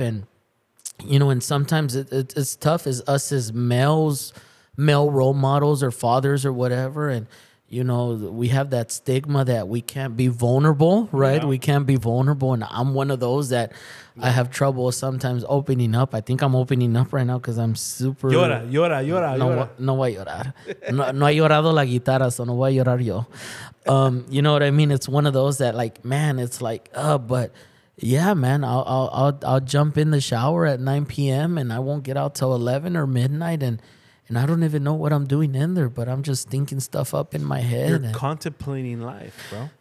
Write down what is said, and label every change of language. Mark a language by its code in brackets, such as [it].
[en] And you know, and sometimes it's tough as us as male role models or fathers or whatever. And you know, we have that stigma that we can't be vulnerable, right? Yeah. We can't be vulnerable. And I'm one of those that I have trouble sometimes opening up. I think I'm opening up right now because I'm super... [es] Llora. No voy a llorar. No ha llorado la guitarra, so no voy a llorar yo. [en] You know what I mean? It's one of those that, like, man, it's like, but yeah, man, I'll jump in the shower at 9 p.m. and I won't get out till 11 or midnight. And I don't even know what I'm doing in there, but I'm just thinking stuff up in my head. You're contemplating life, bro.